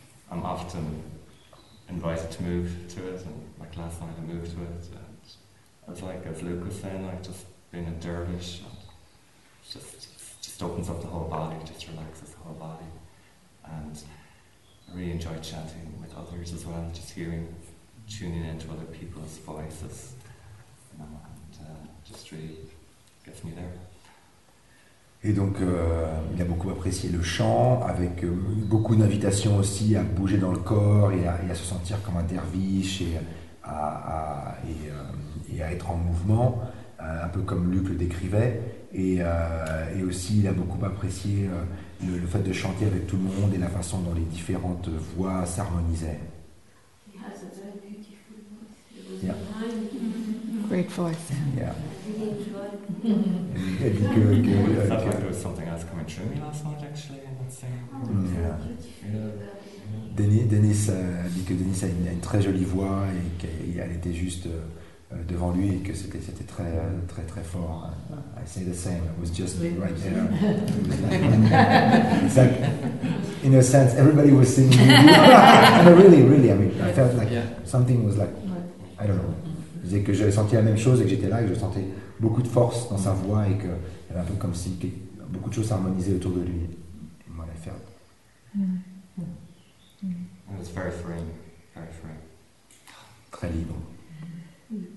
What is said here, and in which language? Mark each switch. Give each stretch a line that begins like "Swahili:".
English: I'm often invited to move to it, and like last night I moved to it, and it's like, as Luke was saying, like just being a dervish, and just opens up the whole body, just relaxes the whole body, and I really enjoy chanting with others as well, just hearing, tuning into other people's voices, you know, and just really gets me there.
French: Et donc, il a beaucoup apprécié le chant, avec beaucoup d'invitations aussi à bouger dans le corps et à se sentir comme un derviche et à être en mouvement, un peu comme Luc le décrivait. Et aussi, il a beaucoup apprécié le fait de chanter avec tout le monde et la façon dont les différentes voix s'harmonisaient.
English: He has a very beautiful voice. Yeah. Great voice. Yeah. I thought there was something else coming through me last night, actually, in that singing. Yeah.
French: Denis a dit que Denis a une très jolie voix et qu'elle était juste devant lui et que c'était très très très fort.
English: I say the same. It was just right there. It's like, in a sense, everybody was singing. And really, I mean, I felt like something was like, I don't know.
French: C'est que j'avais senti la même chose et que j'étais là et que je sentais beaucoup de force dans sa voix et qu'il y avait un peu comme si beaucoup de choses s'harmonisaient autour de lui. Et moi, la ferme.
English: It was very freeing, very freeing.
French: Très libre. Mm.